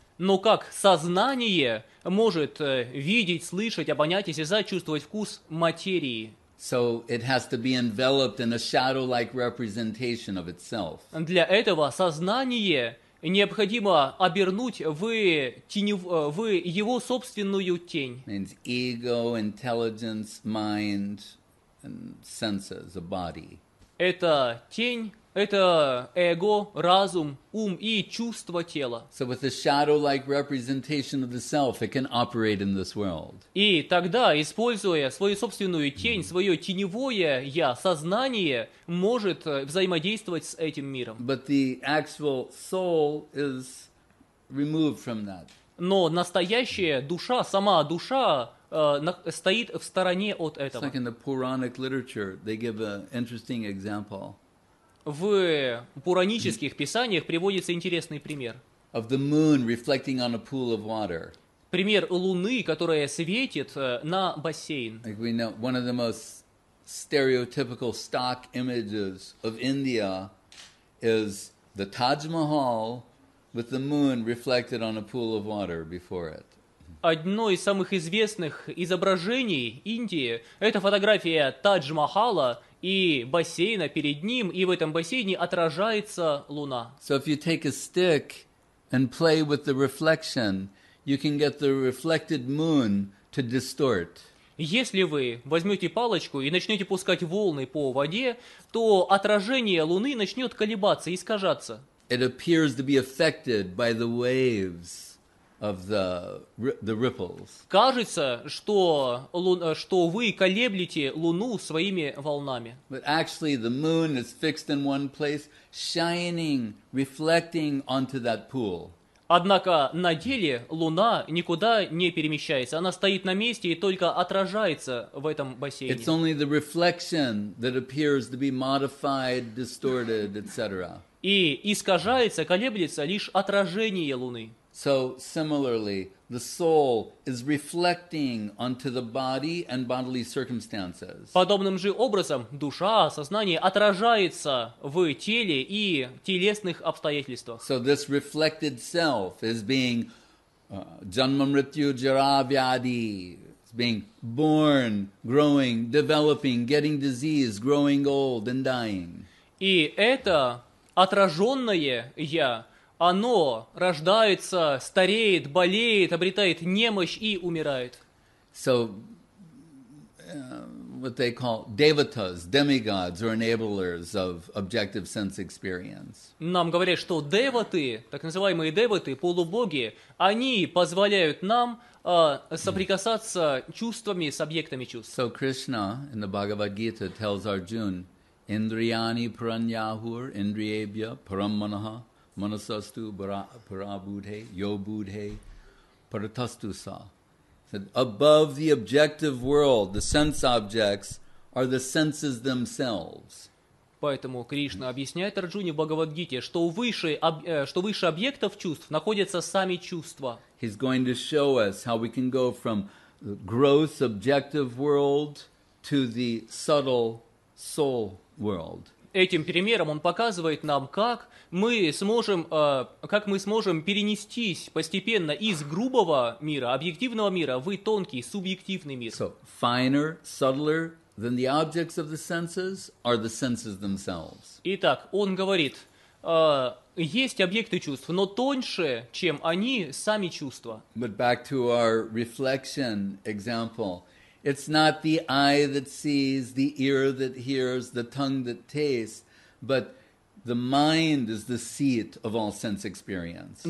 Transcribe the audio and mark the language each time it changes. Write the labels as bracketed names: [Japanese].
[Russian] Но как сознание может видеть, слышать, обонять, осязать, чувствовать вкус материи? [English] So it has to be enveloped in a shadow-like representation of itself. [Russian] Для этого сознание необходимо обернуть в теневую, в его собственную тень. [English] Means ego, intelligence, mind, and senses, a body. [Russian] Это тень, это эго, разум, ум и чувство тела. [English] So with a shadow-like representation of the self, it can operate in this world. [Russian] И тогда, используя свою собственную тень, свое теневое я, сознание может взаимодействовать с этим миром. [English] But the actual soul is removed from that. [Russian] Но настоящая душа, сама душа, стоит в стороне от этого. [English] It's like in the Puranic literature, they give an interesting example. [Russian] В пуранических писаниях приводится интересный пример. [English] Of the moon reflecting on a pool of water. [Russian] Пример луны, которая светит на бассейн. [English] Like we know, one of the most stereotypical stock images of India is the Taj Mahal with the moon reflected on a pool of water before it. [Russian] Одно из самых известных изображений Индии — это фотография Тадж-Махала и бассейна перед ним, и в этом бассейне отражается луна. [English] So if you take a stick and play with the reflection, you can get the reflected moon to distort. [Russian] Если вы возьмете палочку и начнете пускать волны по воде, то отражение луны начнет колебаться, искажаться. [English] It appears to be affected by the waves. Of the ripples. [Russian] Кажется, что что вы колеблете луну своими волнами. [English] But actually, the moon is fixed in one place, shining, reflecting onto that pool. [Russian] Однако на деле луна никуда не перемещается, она стоит на месте и только отражается в этом бассейне. [English] It's only the reflection that appears to be modified, distorted, etc. [Russian] И искажается, колеблется лишь отражение луны. [English] So similarly, the soul is reflecting onto the body and bodily circumstances. [Russian] Подобным же образом душа, сознание отражается в теле и телесных обстоятельствах. [English] So this reflected self is being [Sanskrit] janma mrityu jara vyadi, [English] being born, growing, developing, getting disease, growing old and dying. [Russian] И это отраженное я, оно рождается, стареет, болеет, обретает немощь и умирает. [English] So, what they call devatas, demigods or enablers of objective sense experience. [Russian] Нам говорят, что деваты, так называемые деваты, полубоги, они позволяют нам соприкасаться чувствами с объектами чувств. [English] So Krishna in the Bhagavad Gita tells Arjuna, [Sanskrit] Indriyani Pranyahur, Indriyebhya, Paramanaha, Manasastu, Parabudhe, Yobudhe, Paratastusa. [English] Above the objective world, the sense objects are the senses themselves. [Russian] Поэтому Кришна объясняет Арджуне в Бхагавад-гите, что выше, объектов чувств находятся сами чувства. [English] He's going to show us how we can go from gross objective world to the subtle soul world. [Russian] Этим примером он показывает нам, как мы сможем, перенестись постепенно из грубого мира, объективного мира, в тонкий, субъективный мир. [English] So, finer, subtler than the objects of the senses are the senses themselves. [Russian] Итак, он говорит, есть объекты чувств, но тоньше, чем они, сами чувства. [English] But back to our reflection example. It's not the eye that sees, the ear that hears, the tongue that tastes, but the mind is the seat of all sense experience.